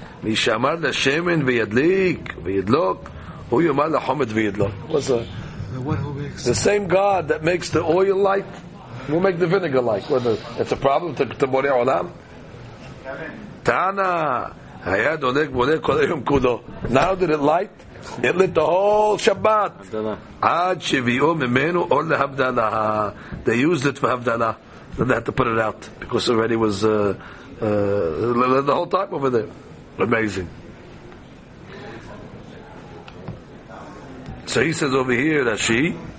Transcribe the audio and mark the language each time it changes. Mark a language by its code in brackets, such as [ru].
[he] מי שאמר לשמן וידליק וידלוק, הוא יאמר לחומץ וידלוק. [en] What's that? The same God that makes the oil light will make the vinegar light. Well, it's a problem to בורא עולם. [he] תנא, היה דולק בורא כל היום כולו. [en] Now did it light? It lit the whole Shabbat. [he] עד שביאו ממנו אור להבדלה. [en] They used it for הבדלה. Then they had to put it out because already was the whole time over there. Amazing. So he says over here that she.